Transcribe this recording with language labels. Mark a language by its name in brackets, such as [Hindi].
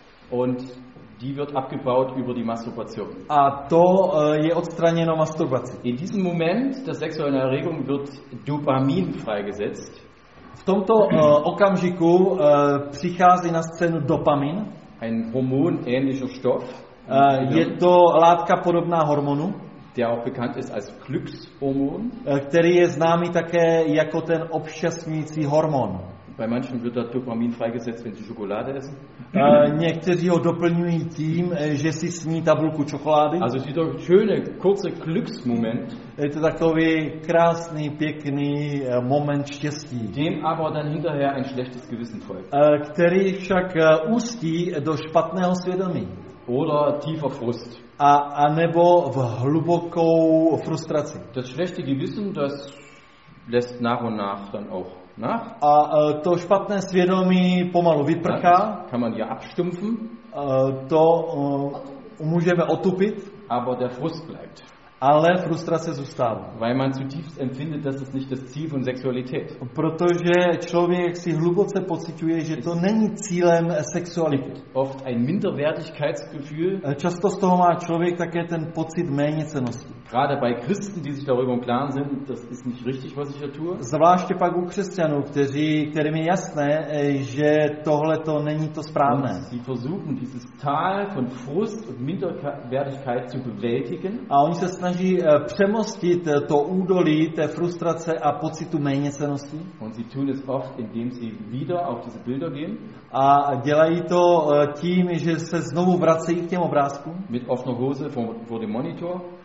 [German] Und die wird abgebaut über die Masturbation. [Czech] A to je odstraněno masturbací. [German] In diesem Moment der sexuellen Erregung wird Dopamin freigesetzt. [Czech] V tomto okamžiku přichází na scénu dopamin. [German] Ein hormonähnlicher Stoff. [Czech] Je to látka podobná hormonu. [German] Der auch bekannt ist als Glückshormon. [Czech] Který je známý také jako ten obšťastňující hormon. [German] Bei manchen wird der Dopamin freigesetzt, wenn sie Schokolade essen. [Czech] Někteří ho doplňují tím, že si sní tabulku čokolády. [German] Also ist doch schöne kurze Glücksmoment. [Czech] Je to takový krásný, pěkný moment štěstí. [German] Dem aber dann hinterher ein schlechtes Gewissen folgt. [Czech] Který však ústí do špatného svědomí. [German] Oder tiefer Frust. [Czech] A nebo v hlubokou frustraci. [German] Das schlechte Gewissen, das lässt nach und nach dann auch nach. [Czech] A to špatné svědomí pomalu vyprchá. [German] Kann man ja abstumpfen. [Czech] To můžeme otupit. [German] Aber der Frust bleibt. [Czech] Ale frustrace zůstává. [German] Weil man zutiefst empfindet, dass es nicht das Ziel von Sexualität. [Czech] Protože člověk si hluboce pociťuje, že to není cílem sexuality. [German] Oft ein Minderwertigkeitsgefühl. [Czech] Často z toho má člověk také ten pocit méněcennosti. [German] Gerade bei Christen, die sich darüber im Klaren sind, das ist nicht richtig, was ich da tue. [Czech] Zvláště pak u křesťanů, kterým je jasné, že tohle to není to správné. [German] Und sie versuchen, dieses Tal von Frust und Minderwertigkeit zu bewältigen. [Czech] A oni se snaží přemostit to údolí té frustrace a pocitu méněcennosti. [German] Und sie tun es oft, indem sie wieder auf diese Bilder gehen. [Czech] A dělají to tím, že se znovu vracejí k těm obrázkům. [German] Mit offener Hose vor dem Monitor.